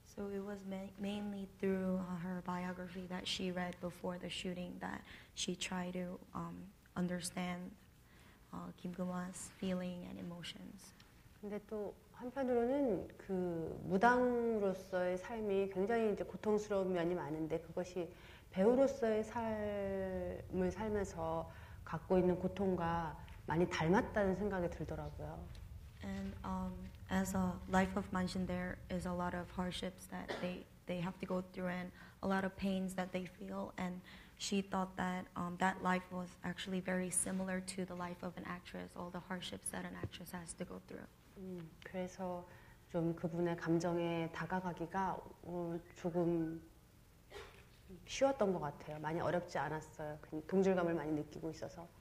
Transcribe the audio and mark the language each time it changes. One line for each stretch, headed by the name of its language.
English: So it was mainly through her biography that she read before the shooting that she tried to understand Kim Keum-hwa's feeling and emotions.
Korean: 근데 또 한편으로는 그 무당으로서의 삶이 굉장히 이제 고통스러운 면이 많은데 그것이 배우로서의 삶을 살면서 갖고 있는 고통과 많이 닮았다는 생각이 들더라고요.
English: And as a life of Manshin, there is a lot of hardships that they have to go through and a lot of pains that they feel. And she thought that that life was actually very similar to the life of an actress, all the hardships that an actress has to go through.
Korean: 그래서 좀 그분의 감정에 다가가기가 조금 쉬웠던 것 같아요. 많이 어렵지 않았어요. 동질감을 많이 느끼고 있어서.